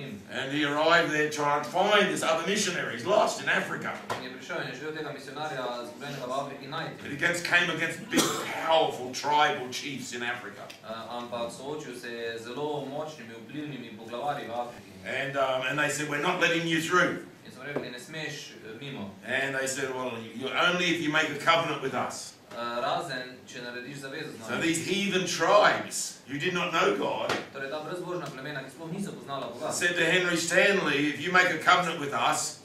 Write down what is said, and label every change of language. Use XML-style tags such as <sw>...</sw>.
<en>And he arrived there trying to find this other missionary. He's lost in Africa. But he came against big, powerful tribal chiefs in Africa.</en> <sl>ampak soočil se je zelo močnimi vplivnimi poglavarji v Afriki.</sl> <en>And they said, we're not letting you through.</en> <sl>In so rekli, ne smeš mimo.</sl> <en>And they said, well, only if you make a covenant with us.</en> <sl>Razen, če narediš zavezo z nami.</sl> <en>So these heathen tribes, you did not know God.</en> <sl>Torej ta brezbožna plemena, ki sploh niso poznala Boga.</sl> <en>Said to Henry Stanley, if you make a covenant with us,</en>